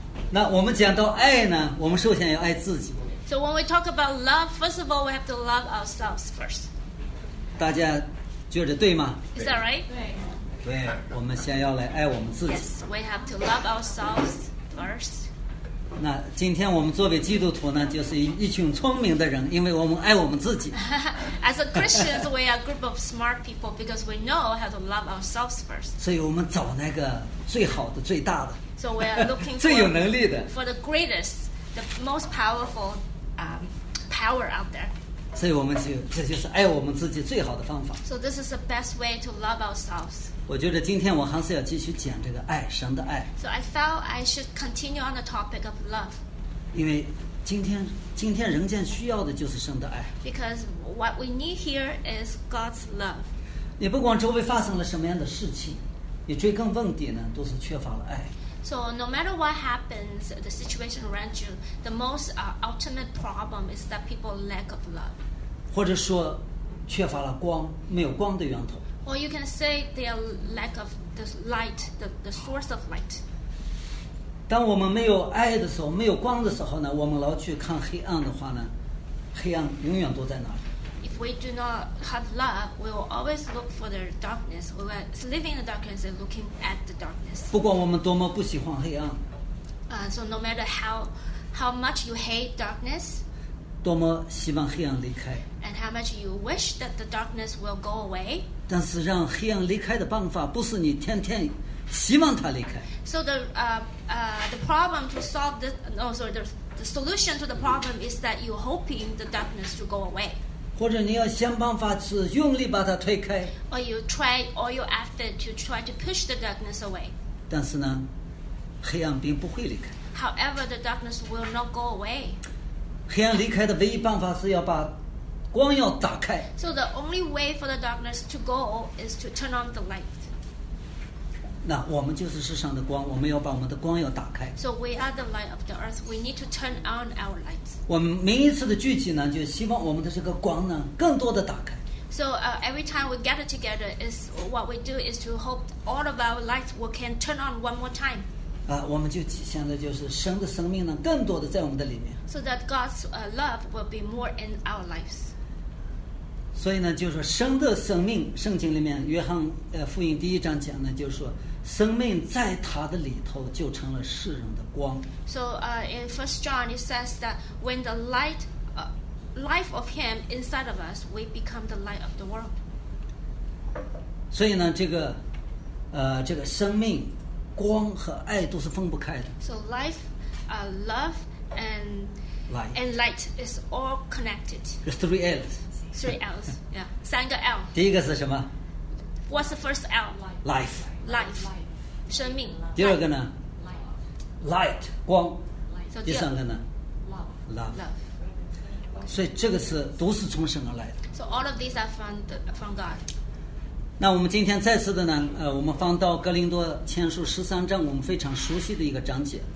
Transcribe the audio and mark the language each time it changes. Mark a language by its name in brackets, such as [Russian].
[Chinese] 那我们讲到爱呢，我们首先要爱自己。 [English] So when we talk about love, first of all, we have to love ourselves first. [Chinese] 大家觉得对吗？ [English] Is that right? [Chinese] 对。对，我们先要来爱我们自己。 [English] Yes, we have to love ourselves first. [Chinese] 那今天我们作为基督徒呢，就是一群聪明的人，因为我们爱我们自己。 [English] As a Christians, we are a group of smart people because we know how to love ourselves first. [Chinese] 所以我们找那个最好的、最大的。 [English] So we are looking for, [Chinese] 最有能力的 [English] for the greatest, the most powerful power out there. [Chinese] 所以我们就这就是爱我们自己最好的方法。 [English] So this is the best way to love ourselves. [Chinese] 我觉得今天我还是要继续讲这个爱，神的爱。 [English] So I felt I should continue on the topic of love. [Chinese] 因为今天人间需要的就是神的爱。 [English] Because what we need here is God's love. [Chinese] 你不管周围发生了什么样的事情，你追根问底呢，都是缺乏了爱。 [English] So no matter what happens, the situation around you, the most ultimate problem is that people lack of love. [Chinese] 或者说缺乏了光，没有光的源头。 [English] Or you can say they are lack of the light, the source of light. [Chinese] 当我们没有爱的时候，没有光的时候呢，我们老去看黑暗的话呢，黑暗永远都在那里。 [English] If we do not have love, we will always look for the darkness. We will live in the darkness and looking at the darkness. [Chinese] 不管我们多么不喜欢黑暗。 [English] So no matter how much you hate darkness, [Chinese] 多么希望黑暗离开。 [English] And how much you wish that the darkness will go away. [Chinese] 但是让黑暗离开的办法不是你天天希望它离开。 [English] So the problem to solve this, no, sorry, the solution to the problem is that you hoping the darkness to go away. [Chinese] 或者你要想办法是用力把它推开。 [English] Or you try all your effort to try to push the darkness away. [Chinese] 但是呢，黑暗并不会离开。 [English] However, the darkness will not go away. [Chinese] 黑暗离开的唯一办法是要把光要打开。 [English] So the only way for the darkness to go is to turn on the light. [Chinese] 那我们就是世上的光，我们要把我们的光要打开。 [English] So we are the light of the earth. We need to turn on our light. [Chinese] 我们每一次的聚集呢，就希望我们的这个光呢，更多的打开。 [English] So every time we gather together, is what we do is to hope all of our lights we can turn on one more time. [Chinese] 啊，我们就现在就是神的生命呢，更多的在我们的里面。 [English] So that God's love will be more in our lives. [Chinese] 所以呢，就是神的生命，圣经里面约翰福音第一章讲呢，就是说。生命在他的里头就成了世人的光。 [English] So, in First John, it says that when the life of Him inside of us, we become the light of the world. [Chinese] 所以呢，这个生命、光和爱都是分不开的。 [English] So life, love, and light is all connected. The three L's. Three L's, yeah. [Chinese] 三个 [English] L. [Chinese] 第一个是什么 [English] ？What's the first L? Life. Life, [Chinese] 生命。第二个呢 [English] ？Light, [Chinese] 光。 [English] So、 [Chinese] 第三个呢 [English] ？Love, [Chinese] 所以这个是都是从神而来的。 [English] So all of these are from God. [Chinese] 那我们今天再次的呢？我们翻到哥林多前书十三章，我们非常熟悉的一个章节。